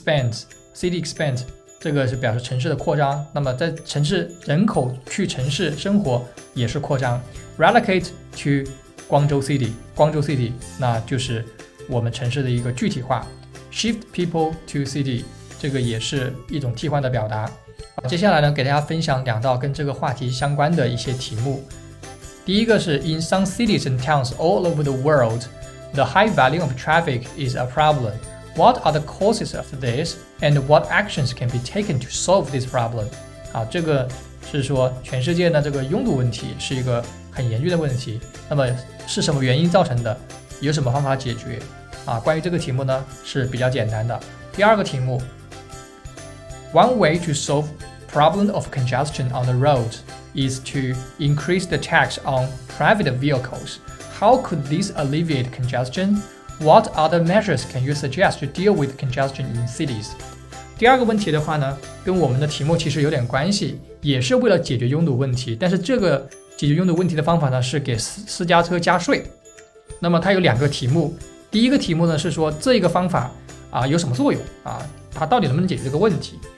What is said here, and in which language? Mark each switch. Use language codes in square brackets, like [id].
[en] City expand， [zh] 这个是表示城市的扩张，那么在城市人口去城市生活也是扩张。 [en] Relocate to光州 city， [zh] 那就是我们城市的一个具体化。 [en] Shift people to city， [zh] 这个也是一种替换的表达。接下来呢，给大家分享两道跟这个话题相关的一些题目。第一个是 [en] In some cities and towns all over the world, the high volume of traffic is a problem. What are the causes of this, and what actions can be taken to solve this problem? [zh] 好，这个是说全世界的这个拥堵问题是一个很严峻的问题，那么是什么原因造成的，有什么方法解决关于这个题目呢是比较简单的。第二个题目， [en] One way to solve problem of congestion on the road is to increase the tax on private vehicles. How could this alleviate congestion? What other measures can you suggest to deal with congestion in cities? [zh] 第二个问题的话呢跟我们的题目其实有点关系，也是为了解决拥堵问题，但是这个解决拥堵问题的方法呢是给私家车加税。那么它有两个题目，第一个题目呢是说这个方法有什么作用它到底能不能解决这个问题。